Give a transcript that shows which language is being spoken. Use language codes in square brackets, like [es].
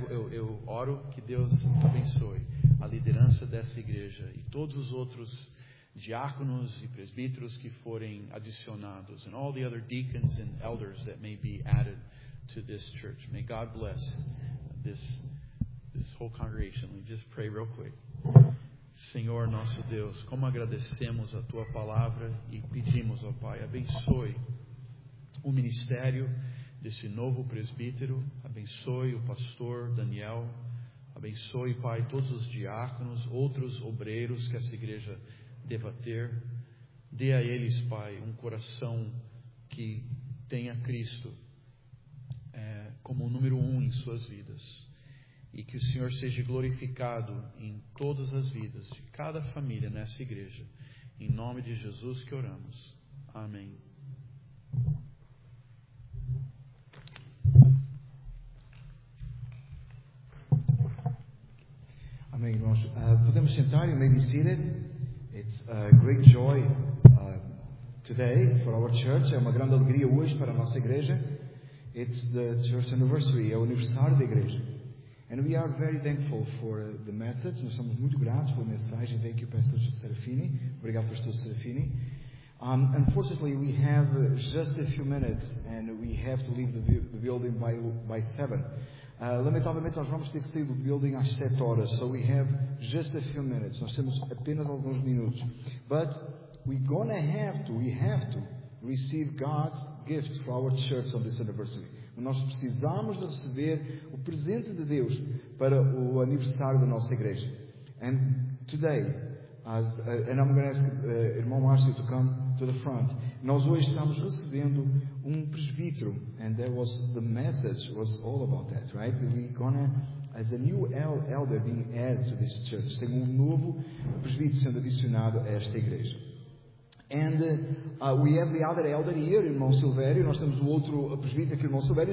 [pt] Eu oro que Deus abençoe a liderança dessa igreja e todos os outros diáconos e presbíteros que forem adicionados, [en] and all the other deacons and elders that may be added to this church. May God bless this whole congregation. Let me just pray real quick. [pt] Senhor nosso Deus, como agradecemos a tua palavra e pedimos, ó Pai, abençoe o ministério desse novo presbítero, abençoe o pastor Daniel, abençoe, Pai, todos os diáconos, outros obreiros que essa igreja deva ter. Dê a eles, Pai, um coração que tenha Cristo como o número um em suas vidas. E que o Senhor seja glorificado em todas as vidas de cada família nessa igreja. Em nome de Jesus que oramos. Amém. Amém, irmãos. Podemos sentar, [en] you may be seated. It's a great joy today for our church. [pt] É uma grande alegria hoje para a nossa igreja. [en] It's the church anniversary, [pt] é o aniversário da igreja. [en] And we are very thankful for the message. [pt] Nós somos muito gratos pela mensagem. [en] Thank you, Pastor Serafini. [pt] Obrigado, [en] Pastor Serafini. Unfortunately, we have just a few minutes and we have to leave the building by 7. [pt] Lamentavelmente, nós vamos ter que sair do building às 7 horas. [en] So we have just a few minutes. [pt] Nós temos apenas alguns minutos. [en] But we're going to have to, we have to receive God's gift for our church on this anniversary. [pt] Nós precisamos de receber o presente de Deus para o aniversário da nossa igreja. [en] And today, and I'm going to ask irmão Márcio to come to the front. [pt] Nós hoje estamos recebendo um presbítero. [en] And that was the message, was all about that, right? We're going to, as a new elder being added to this church. [pt] Tem um novo presbítero sendo adicionado a esta igreja. [en] And we have the other elder here, irmão Silvério. [pt] Nós temos o outro presbítero aqui, irmão Silvério.